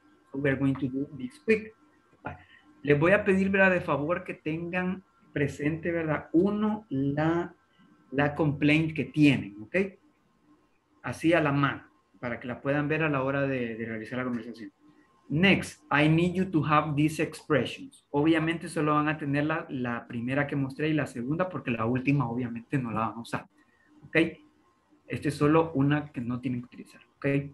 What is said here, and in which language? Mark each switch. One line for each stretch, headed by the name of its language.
English: So we are going to do this quick.
Spanish: Les voy a pedir, ¿verdad?, de favor que tengan presente, ¿verdad?, uno, la complaint que tienen, ¿ok? Así a la mano, para que la puedan ver a la hora de realizar la conversación.
English: Next, I need you to have these expressions.
Spanish: Obviamente solo van a tener la primera que mostré y la segunda, porque la última obviamente no la van a usar, ¿ok? Esta es solo una que no tienen que utilizar, ¿ok?